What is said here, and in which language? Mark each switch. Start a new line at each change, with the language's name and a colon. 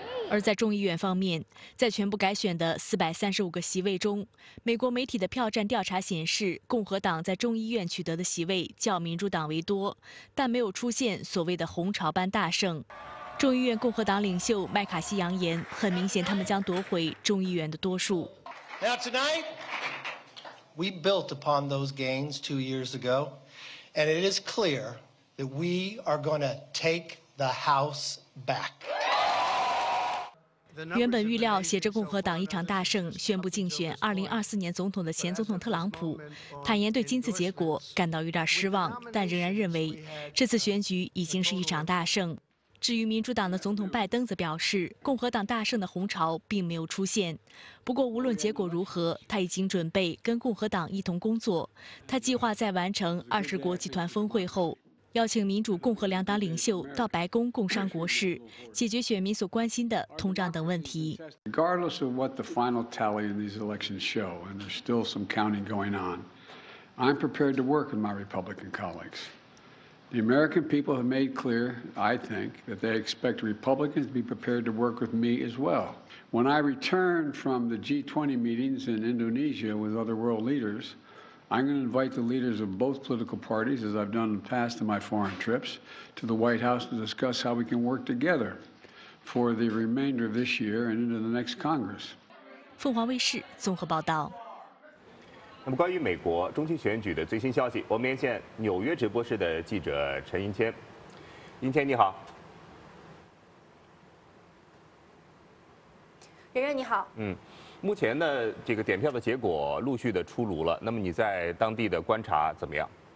Chinese: 而在众议院方面，在全部改选的435个席位中，美国媒体的票站调查显示，共和党在众议院取得的席位较民主党为多，但没有出现所谓的红潮般大胜。众议院共和党领袖麦卡锡扬言，很明显他们将夺回众议员的多数。
English: Now tonight, we built upon those gains 2 years ago, and it is clear that we are going to take the House back.
Chinese: 原本预料写着共和党一场大胜，宣布竞选2024年总统的前总统特朗普，坦言对今次结果感到有点失望，但仍然认为这次选举已经是一场大胜。至于民主党的总统拜登则表示，共和党大胜的红潮并没有出现。不过无论结果如何，他已经准备跟共和党一同工作。他计划在完成20国集团峰会后，邀请民主共和两党领袖到白宫共商国事，解决选民所关心的通胀等问题。
English: Regardless of what the final tally in these elections show, and there's still some counting going on, I'm prepared to work with my Republican colleagues. The American people have made clear, I think, that they expect Republicans to be prepared to work with me as well. When I return from the G20 meetings in Indonesia with other world leaders,I'm going to invite the leaders of both political parties, as I've done in the past in my foreign trips, to the White House to discuss how we can work together for the remainder of this year and into the next Congress.
Chinese: 凤凰卫视综合报道。那么关于美国中期选举的最新消息，我们连线纽约直播室的记者陈银谦。银谦，你好。任任，你好。目前呢，这个点票的结果陆续的出炉了，那么你在当地的观察怎么样？